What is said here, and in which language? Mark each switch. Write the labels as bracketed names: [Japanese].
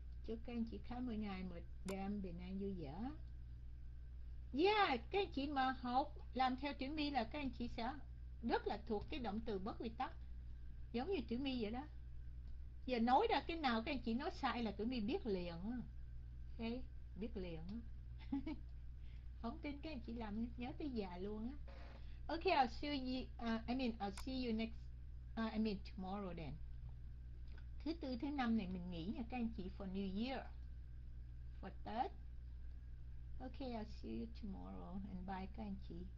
[Vietnamese] Chúc các anh chị khá mỗi ngày một đêm bình an vui vẻ. Yeah, các anh chị mà học làm theo Tiểu My là các anh chị sẽ rất là thuộc cái động từ bất quy tắc, giống như Tiểu My vậy đó. giờ nói ra cái nào cái chị nói sai là tụi mình biết liền, cái biết liền. Không tin cái chị làm nhớ tới già luôn á. [English] Ok, I'll see you, I'll see you next, tomorrow then. [Vietnamese] Thứ tư thứ năm này mình nghỉ nha các anh chị, [English] for New Year, [Vietnamese] for Tết. [English] Ok, I'll see you tomorrow and bye [Vietnamese] các anh chị.